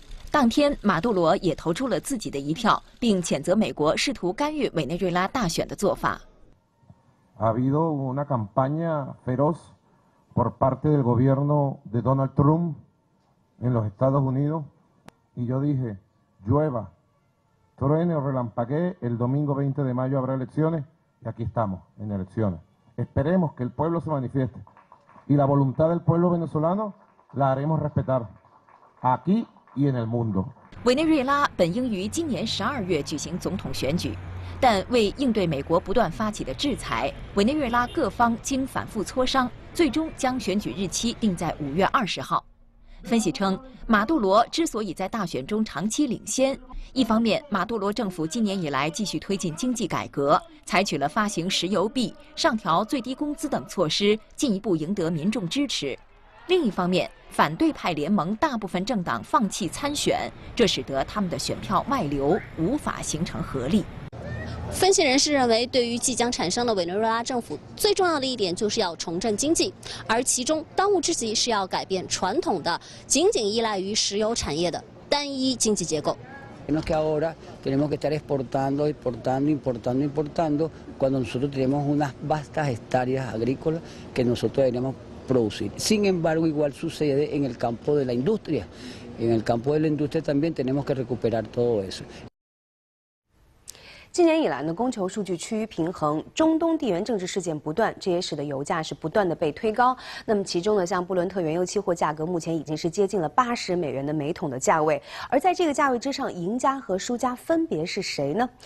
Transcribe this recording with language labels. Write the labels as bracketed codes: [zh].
[zh] 当天，马杜罗也投出了自己的一票，并谴责美国试图干预委内瑞拉大选的做法。 [es] Ha habido una campaña feroz por parte del gobierno de Donald Trump. En los Estados Unidos, y yo dije, llueva, truene o relampaguee, el domingo 20 de mayo habrá elecciones, y aquí estamos, en elecciones. Esperemos que el pueblo se manifieste, y la voluntad del pueblo venezolano la haremos respetar, aquí y en el mundo. [zh] 委内瑞拉本应于今年12月举行总统选举，但为应对美国不断发起的制裁，委内瑞拉各方经反复磋商，最终将选举日期定在5月20号。分析称，马杜罗之所以在大选中长期领先，一方面马杜罗政府今年以来继续推进经济改革，采取了发行石油币、上调最低工资等措施，进一步赢得民众支持；另一方面，反对派联盟大部分政党放弃参选，这使得他们的选票外流，无法形成合力。分析人士认为，对于即将产生的委内瑞拉政府，最重要的一点就是要重振经济，而其中当务之急是要改变传统的仅仅依赖于石油产业的单一经济结构。 [es] Tenemos que ahora tenemos que estar exportando, importando, importando, importando, cuando nosotros tenemos unas vastas hectáreas agrícolas que nosotros deberíamos producir. Sin embargo, igual sucede en el campo de la industria. En el campo de la industria también tenemos que recuperar todo eso. [zh] 今年以来呢，供求数据趋于平衡，中东地缘政治事件不断，这也使得油价是不断的被推高。那么其中呢，像布伦特原油期货价格目前已经是接近了80美元的每桶的价位，而在这个价位之上，赢家和输家分别是谁呢？